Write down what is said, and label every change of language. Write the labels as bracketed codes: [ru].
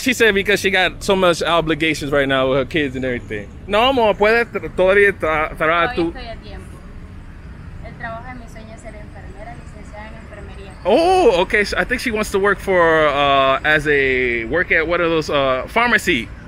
[en] She said because she got so much obligations right now with her kids and everything. [es] No, amor, puedes todavía trabajar tú. Estoy a tiempo. El trabajo de mi sueño es ser enfermera, licenciada en enfermería. [en] Oh, okay. So I think she wants to work for, as a, work at, what are those, pharmacy.